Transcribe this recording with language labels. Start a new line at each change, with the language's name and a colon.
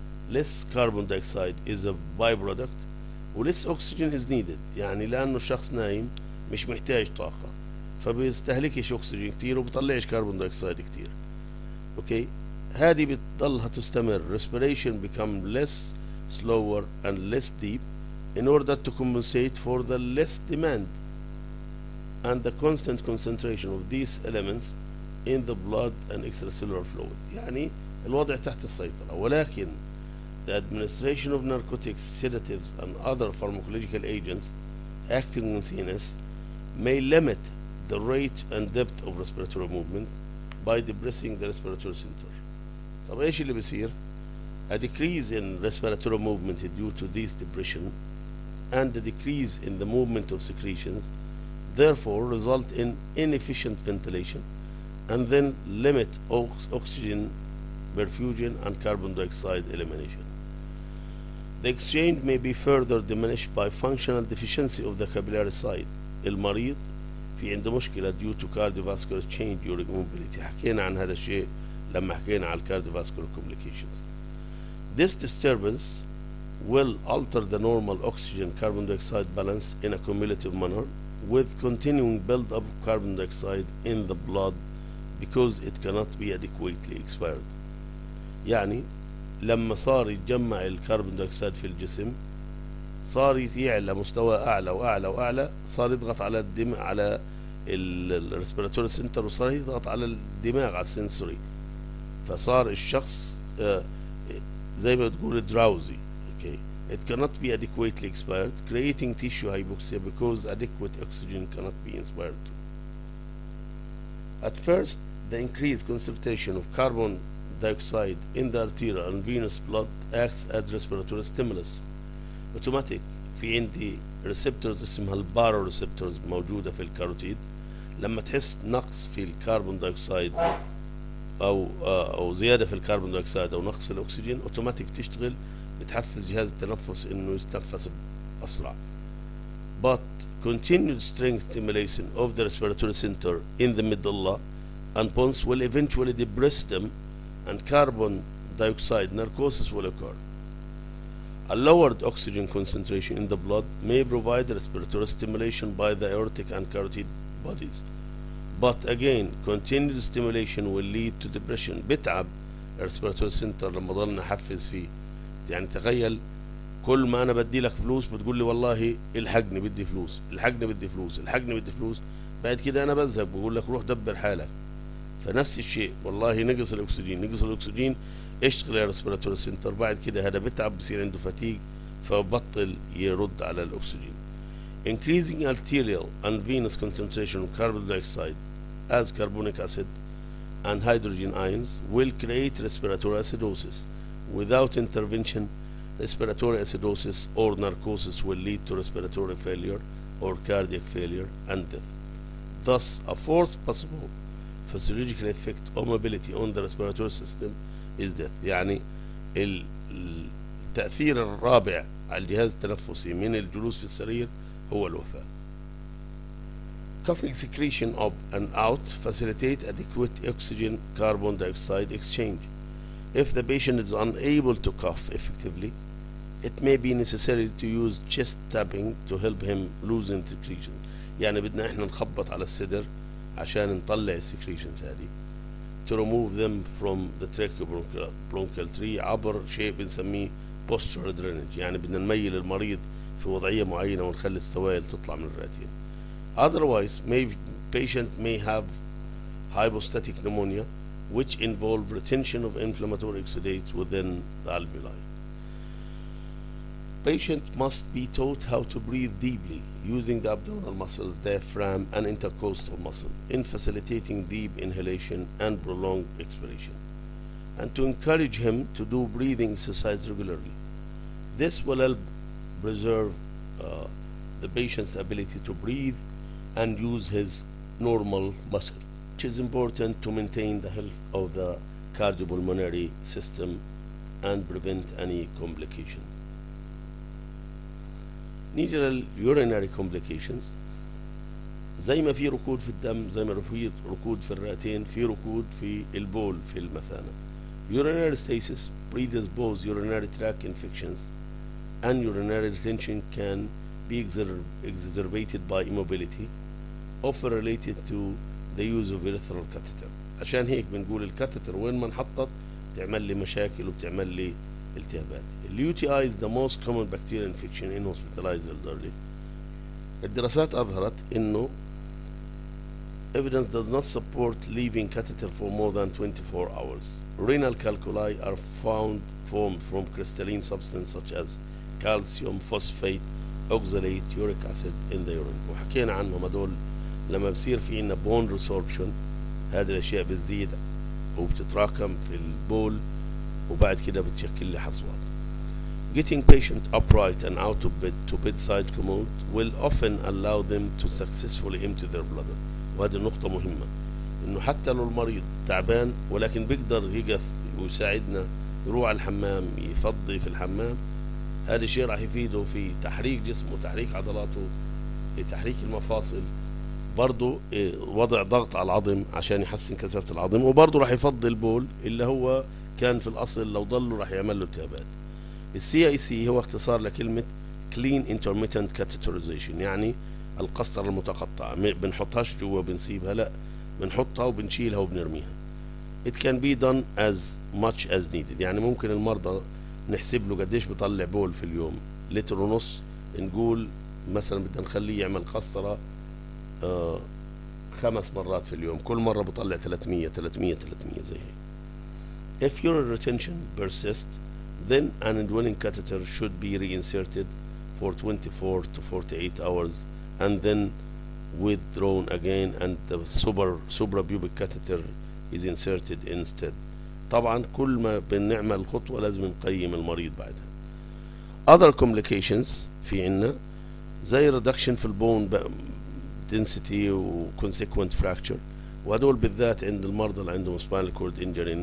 English: Less carbon dioxide is a byproduct
Arabic: و
English: less oxygen is needed
Arabic: يعني لأنه الشخص نايم مش محتاج طاقة فبيستهلكش أكسجين كتير وبيطلعش كربون دايكسيد كتير. اوكي هذه بتضلها تستمر.
English: Respiration become less slower and less deep in order to compensate for the less demand and the constant concentration of these elements in the blood and extracellular fluid.
Arabic: يعني الوضع تحت السيطرة ولكن
English: the administration of narcotics, sedatives and other pharmacological agents acting on CNS may limit the rate and depth of respiratory movement by depressing the respiratory center.
Arabic: طب ايش اللي بيصير؟
English: A decrease in respiratory movement due to this depression and a decrease in the movement of secretions therefore result in inefficient ventilation and then limit oxygen perfusion and carbon dioxide elimination. The exchange may be further diminished by functional deficiency of the capillary side.
Arabic: المريض في عنده مشكلة
English: due to cardiovascular change during immobility.
Arabic: حكينا عن هذا الشيء لما حكينا على cardiovascular complications.
English: This disturbance will alter the normal oxygen carbon dioxide balance in a cumulative manner with continuing build-up of carbon dioxide in the blood because it cannot be adequately expired.
Arabic: يعني لما صار يتجمع الكربون دايكسيد في الجسم صار يعلى مستوى اعلى واعلى واعلى صار يضغط على الدماغ على الريسبيراتوري سنتر وصار يضغط على الدماغ على السنسوري فصار الشخص زي ما تقول دراوزي.
English: Okay it cannot be adequately expired creating tissue hypoxia because adequate oxygen cannot be inspired to. At first the increased concentration of carbon dioxide in the arterial and venous blood acts as respiratory stimulus.
Arabic: Automatic في عندي receptors اسمها baroreceptors موجودة في الكاروتيد. لما تحس نقص في الكربون دايكسايد أو زيادة في الكربون دايكسايد أو نقص في الأكسجين automatic تشتغل بتحفز جهاز التنفس إنه يتنفس أسرع.
English: But continued strength stimulation of the respiratory center in the medulla and pons will eventually depress them and carbon dioxide narcosis will occur. A lowered oxygen concentration in the blood may provide respiratory stimulation by the aortic and carotid bodies. But again, continued stimulation will lead to depression.
Arabic: بتعب respiratory center لما ضلنا حفز فيه. يعني تخيل كل ما انا بدي لك فلوس بتقول لي والله الحقني بدي فلوس، الحقني بدي فلوس، الحقني بدي فلوس، بعد كده انا بزهق بقول لك روح دبر حالك. فنفس الشيء والله نقص الاكسجين نقص الاكسجين اشتغل الريسبيراتوري سنتر بعد كده هذا بتعب بصير عنده فتيق فبطل يرد على الاكسجين.
English: Increasing arterial and venous concentration of carbon dioxide as carbonic acid and hydrogen ions will create respiratory acidosis. Without intervention respiratory acidosis or narcosis will lead to respiratory failure or cardiac failure and death. Thus, a fourth possible physiological effect of mobility on the respiratory system is death.
Arabic: يعني التأثير الرابع على الجهاز التنفسي من الجلوس في السرير هو الوفاة.
English: Coughing secretion up and out facilitate adequate oxygen carbon dioxide exchange. If the patient is unable to cough effectively, it may be necessary to use chest tapping to help him lose secretion.
Arabic: يعني بدنا احنا نخبط على الصدر عشان نطلع السكريشنز هذه.
English: To remove them from the tracheobronchial tree
Arabic: عبر شيء بنسميه
English: postural drainage.
Arabic: يعني بدنا نميل المريض في وضعية معينة ونخلي السوائل تطلع من الرئتين.
English: Otherwise, patient may have hypostatic pneumonia, which involve retention of inflammatory exudates within the alveoli. Patient must be taught how to breathe deeply using the abdominal muscles, diaphragm, and intercostal muscle in facilitating deep inhalation and prolonged expiration, and to encourage him to do breathing exercise regularly. This will help preserve the patient's ability to breathe and use his normal muscle, which is important to maintain the health of the cardiopulmonary system and prevent any complication.
Arabic: نيجي للurinary complications. زي ما في ركود في الدم، زي ما في ركود في الرئتين، في ركود في البول في المثانة.
English: Urinary stasis breeds both urinary tract infections and urinary retention can be exacerbated by immobility, often related to the use of urethral catheter.
Arabic: عشان هيك بنقول الكاتيتر وين ما انحطت تعمل لي مشاكل وبتعمل لي التهابات.
English: The UTI is the most common bacterial infection in hospitalized elderly.
Arabic: الدراسات أظهرت إنه
English: evidence does not support leaving catheter for more than 24 hours. Renal calculi are formed from crystalline substance such as calcium, phosphate, oxalate, uric acid in the urine.
Arabic: وحكينا عنهم هدول لما بصير في إنه bone resorption هذه الأشياء بتزيد وبتتراكم في البول وبعد كده بتشكل لي حصوات.
English: Getting patient upright and out of bed to bedside commode will often allow them to successfully empty their bladder.
Arabic: وهذه النقطة مهمة إنه حتى لو المريض تعبان ولكن بيقدر يقف ويساعدنا يروح على الحمام يفضي في الحمام، هذا الشيء راح يفيده في تحريك جسمه، تحريك عضلاته، في تحريك المفاصل، برضو وضع ضغط على العظم عشان يحسن كثافة العظم، وبرضو راح يفضي البول اللي هو كان في الأصل لو ضله راح يعمل له التهابات. CIC هو اختصار لكلمة Clean Intermittent Catheterization، يعني القسطرة المتقطعة، ما بنحطهاش جوا بنسيبها، لا بنحطها وبنشيلها وبنرميها.
English: It can be done as much as needed،
Arabic: يعني ممكن المرضى نحسب له قديش بيطلع بول في اليوم، لتر ونص، نقول مثلا بدنا نخليه يعمل قسطرة خمس مرات في اليوم، كل مرة بيطلع 300 زي هيك.
English: If urine retention persists, then an indwelling catheter should be reinserted for 24 to 48 hours and then withdrawn again and the suprapubic catheter is inserted instead.
Arabic: طبعا كل ما بنعمل خطوة لازم نقيم المريض بعدها.
English: Other complications
Arabic: في عنا زي reduction في البون density و consequent fracture، وهدول بالذات عند المرضى اللي عندهم spinal cord injury.